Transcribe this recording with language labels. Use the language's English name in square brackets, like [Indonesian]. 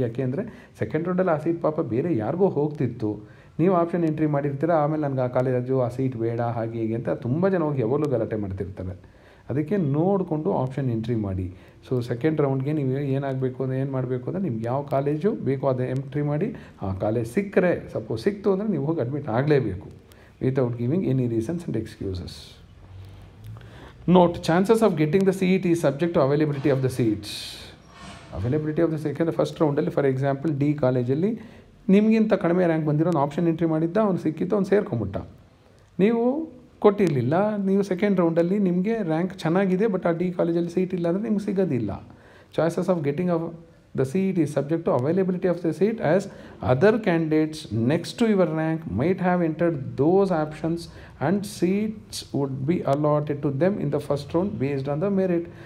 [Kannada] ಯಾಕೆಂದರೆ ಸೆಕೆಂಡ್ ರೌಂಡಲ್ಲಿ ಆ ಸೀಟ್ ಪಾಪ ಬೇರೆ ಯಾರಿಗೋ ಹೋಗ್ತಿತ್ತು, ನೀವು ಆಪ್ಷನ್ ಎಂಟ್ರಿ ಮಾಡಿರ್ತೀರ, ಆಮೇಲೆ ನನಗೆ ಆ ಕಾಲೇಜ್ ಅಜ್ಜು ಆ ಸೀಟ್ ಬೇಡ ಹಾಗೆ ಹೀಗೆ ಅಂತ ತುಂಬ ಜನ ಹೋಗಿ ಯಾವಾಗಲೂ ಗಲಾಟೆ ಮಾಡ್ತಿರ್ತಾರೆ. ಅದಕ್ಕೆ ನೋಡಿಕೊಂಡು ಆಪ್ಷನ್ ಎಂಟ್ರಿ ಮಾಡಿ. ಸೊ ಸೆಕೆಂಡ್ ರೌಂಡ್ಗೆ ನೀವು ಏನಾಗಬೇಕು ಅಂದರೆ, ಏನು ಮಾಡಬೇಕು ಅಂದರೆ, ನಿಮ್ಗೆ ಯಾವ ಕಾಲೇಜು ಬೇಕೋ ಅದೇ ಎಂಟ್ರಿ ಮಾಡಿ. ಆ ಕಾಲೇಜ್ ಸಿಕ್ಕರೆ, ಸಪೋಸ್ ಸಿಕ್ತು ಅಂದರೆ, ನೀವು ಹೋಗಿ ಅಡ್ಮಿಟ್ ಆಗಲೇಬೇಕು [English] Without giving any reasons and excuses. Note, chances of getting the seat is subject to availability of the seats. Availability of the seat, the first round, for example, D college, [Kannada] ನಿಮಗಿಂತ ಕಡಿಮೆ rank ಬಂದಿರೋ ಒಂದು option entry ಮಾಡಿದ್ದ, ಅವ್ನು ಸಿಕ್ಕಿತ್ತು, ಅವ್ನು ಸೇರ್ಕೊಂಬಿಟ್ಟ. ನೀವು ಕೊಟ್ಟಿರಲಿಲ್ಲ, ನೀವು ಸೆಕೆಂಡ್ ರೌಂಡಲ್ಲಿ ನಿಮಗೆ ರ್ಯಾಂಕ್ ಚೆನ್ನಾಗಿದೆ, ಬಟ್ ಆ ಡಿ ಕಾಲೇಜಲ್ಲಿ ಸೀಟ್ ಇಲ್ಲ ಅಂದರೆ ನಿಮ್ಗೆ ಸಿಗೋದಿಲ್ಲ. [English] Choices of getting of the seat is subject to availability of the seat as other candidates next to your rank might have entered those options and seats would be allotted to them in the first round based on the merit.